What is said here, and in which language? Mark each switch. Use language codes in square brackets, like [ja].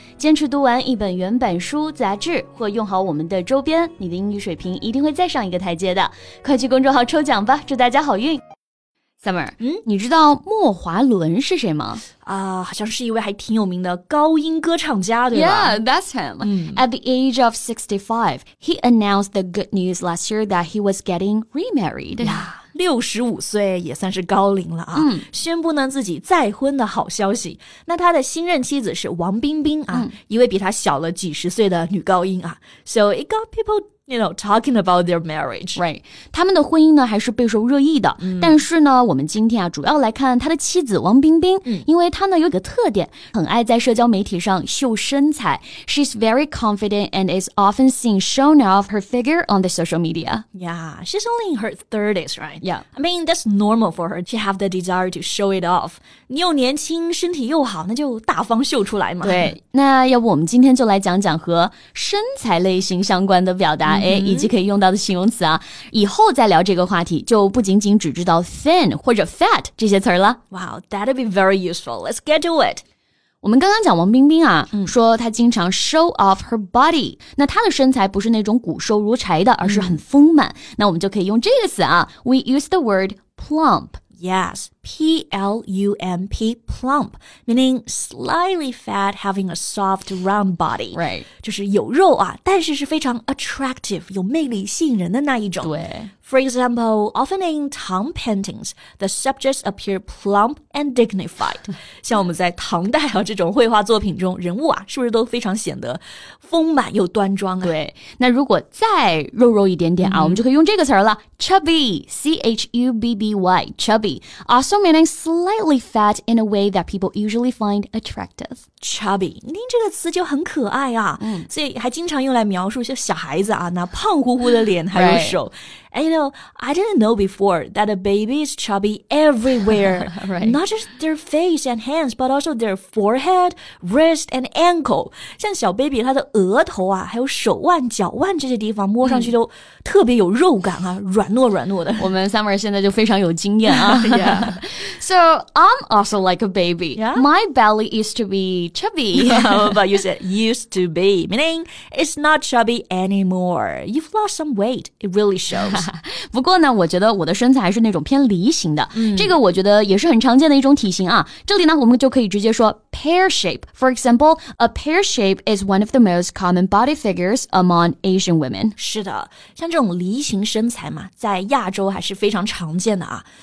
[zh] 坚持读完一本原版书、杂志或用好我们的周边，你的英语水平一定会再上一个台阶的。快去公众号抽奖吧，祝大家好运。Summer, 你知道莫华伦是谁吗？好像是一位还挺有名的高音歌唱家，对吧？ [en] Yeah, that's him. At the age of 65, he announced the good news last year that he was getting remarried. Yeah. [zh] 65岁也算是高龄了啊、宣布呢自己再婚的好消息。那他的新任妻子是王冰冰啊、一位比他小了几十岁的女高音啊。 [en] So it got people, you know, talking about their marriage. Right. [zh] 他们的婚姻呢还是备受热议的。但是呢我们今天啊主要来看他的妻子王冰冰、因为他呢有一个特点，很爱在社交媒体上秀身材。 [en] She's very confident and is often seen shown off her figure on the social media. Yeah, she's only in her 30s, right? Yeah, I mean, that's normal for her to have the desire to show it off. [zh] 你又年轻，身体又好，那就大方秀出来嘛。对，那要不我们今天就来讲讲和身材类型相关的表达、以及可以用到的形容词啊。以后再聊这个话题，就不仅仅只知道 thin 或者 fat 这些词了。 [en] Wow, that'd be very useful. Let's get to it. [zh] 我们刚刚讲王冰冰啊、说她经常 [en] show off her body, [zh] 那她的身材不是那种骨瘦如柴的，而是很丰满、那我们就可以用这个词啊 , [en] we use the word plump. Yes, P-L-U-M-P, plump, meaning slightly fat having a soft round body. Right. [zh] 就是有肉啊，但是是非常 attractive, 有魅力吸引人的那一种。对。 [en] For example, often in town paintings, the subjects appear plump and dignified. [zh] 像我们在唐代啊这种绘画作品中，人物啊是不是都非常显得丰满又端庄啊？对，那如果再肉肉一点点啊、我们就可以用这个词了 [en] ,chubby,C-H-U-B-B-Y, chubby, also meaning slightly fat in a way that people usually find attractive. [zh] Chubby, 您这个词就很可爱啊、所以还经常用来描述一些小孩子啊那胖乎乎的脸还有手。 [en] Right. And you know, I didn't know before that a baby is chubby everywhere. Right. Not just their face and hands, but also their forehead, wrist and ankle. [zh] 像小 baby 他的额头啊还有手腕脚腕这些地方摸上去都特别有肉感啊软糯软糯的。我们 Summer 现在就非常有经验啊。 [en] Yeah. So, I'm also like a baby.、 Yeah? My belly used to be chubby. But you said used to be, meaning it's not chubby anymore. You've lost some weight. It really shows. [zh] 不过呢，我觉得我的身材还是那种偏梨形的。这个我觉得也是很常见的一种体型啊。这里呢，我们就可以直接说 pear shape. [en] For example, a pear shape is one of the most common body figures among Asian women. [zh] 是的，像这种梨形身材嘛，在亚洲还是非常常见的啊。